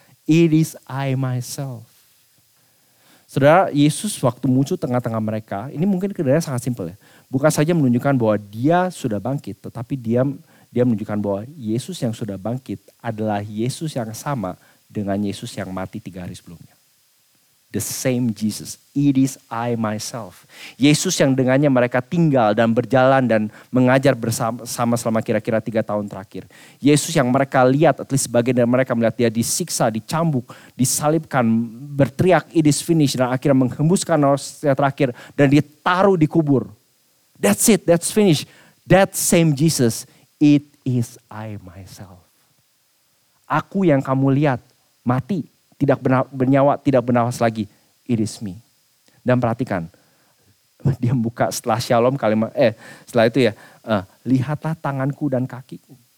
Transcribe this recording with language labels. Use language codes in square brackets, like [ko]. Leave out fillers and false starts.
[en] It is I myself. [id] Saudara, Yesus waktu muncul tengah-tengah mereka, ini mungkin kedengarannya sangat simpel ya. Bukan saja menunjukkan bahwa dia sudah bangkit, tetapi dia menunjukkan bahwa Yesus yang sudah bangkit adalah Yesus yang sama dengan Yesus yang mati 3 hari sebelumnya. [en] The same Jesus, it is I myself. [id] Yesus yang dengannya mereka tinggal dan berjalan dan mengajar bersama selama kira-kira 3 tahun terakhir. Yesus yang mereka lihat, [en] at least [id] sebagian dari mereka melihat dia disiksa, dicambuk, disalibkan, berteriak [en] it is finished, [id] dan akhirnya menghembuskan nafasnya terakhir dan ditaruh di kubur. [en] That's it, that's finished. That same Jesus, it is I myself. [id] Aku yang kamu lihat mati, tidak bernyawa, tidak bernafas lagi. [en] It is me. [id] Dan perhatikan, dia buka setelah shalom kalimat, setelah itu ya, lihatlah tanganku dan kakiku.